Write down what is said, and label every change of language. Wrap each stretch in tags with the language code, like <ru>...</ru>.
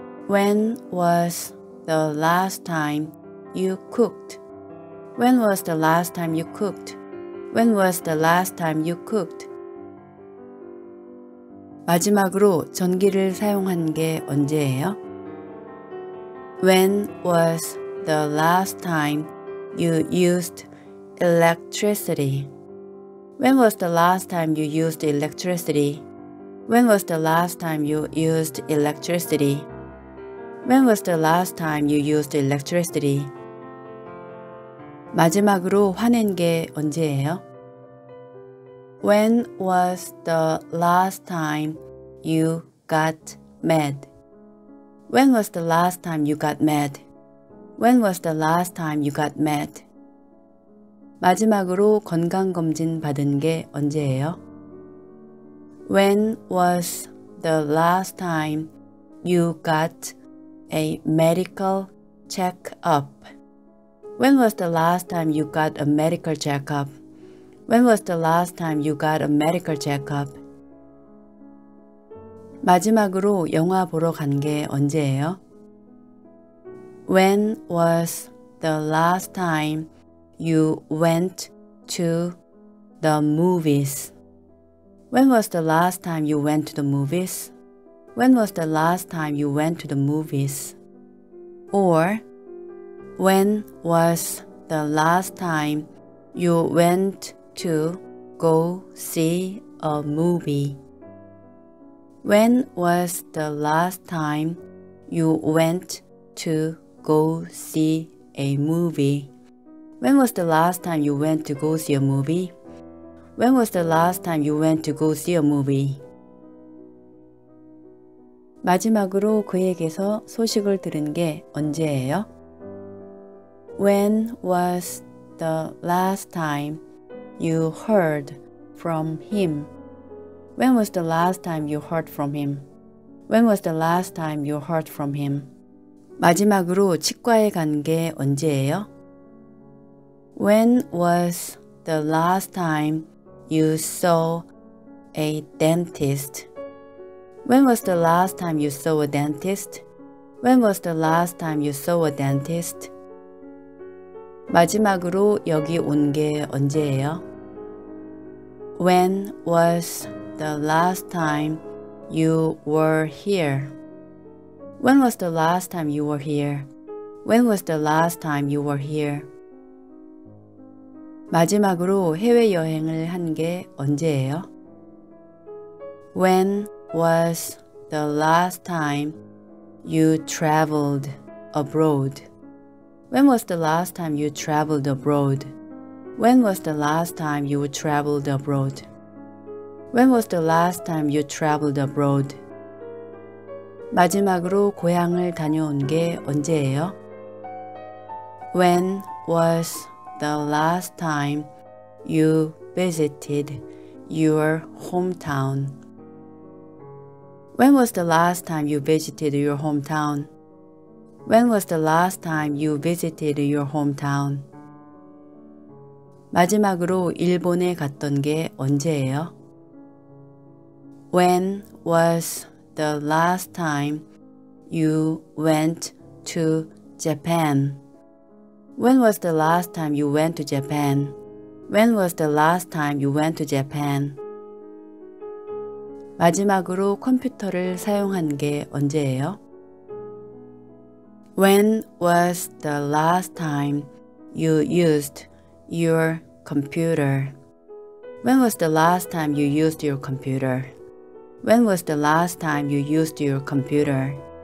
<en>When was the last time you cooked? When was the last time you cooked? When was the last time you cooked?</en> <ko>마지막으로 전기를 사용한 게 언제예요?</ko> <en>When was the last time you used electricity? When was the last time you used electricity? When was the last time you used electricity? When was the last time you used electricity?</en> <ko>마지막으로 화낸 게 언제예요?</ko> <en>When was the last time you got mad? When was the last time you got mad? When was the last time you got mad?</en> <ko>마지막으로 건강검진 받은 게 언제예요?</ko> <en>When was the last time you got a medical check-up? When was the last time you got a medical check-up? When was the last time you got a medical check-up?</en> <ko>마지막으로 영화 보러 간 게 언제예요?</ko> <en>When was the last time you went to the movies? When was the last time you went to the movies? When was the last time you went to the movies? Or when was the last time you went to go see a movie? When was the last time you went to go see a movie? When was the last time you went to go see a movie? When was the last time you went to go see a movie?</en> <ko>마지막으로 그에게서 소식을 들은 게 언제예요?</ko> <en>When was the last time you heard from him? When was the last time you heard from him? When was the last time you heard from him?</en> <ko>마지막으로 치과에 간 게 언제예요?</ko> <en>When was the last time you saw a dentist? When was the last time you saw a dentist? When was the last time you saw a dentist?</en> <ko>마지막으로 여기 온 게 언제예요?</ko> <en>When was the last time you were here? When was the last time you were here? When was the last time you were here?</en> <ko>마지막으로 해외 여행을 한 게 언제예요?</ko> <en>When was the last time you traveled abroad? When was the last time you traveled abroad? When was the last time you traveled abroad? When was the last time you traveled abroad?</en> <ko>마지막으로 고향을 다녀온 게 언제예요?</ko> <en>When was the last time you visited your hometown? When was the last time you visited your hometown? When was the last time you visited your hometown?</en> <ko>마지막으로 일본에 갔던 게 언제예요?</ko> <en>When was the last time you went to Japan? When was the last time you went to Japan? When was the last time you went to Japan?</en> <ko>마지막으로 컴퓨터를 사용한 게 언제예요?</ko> <en>When was the last time you used your computer? When was the last time you used your computer? When was the last time you used your computer?</en>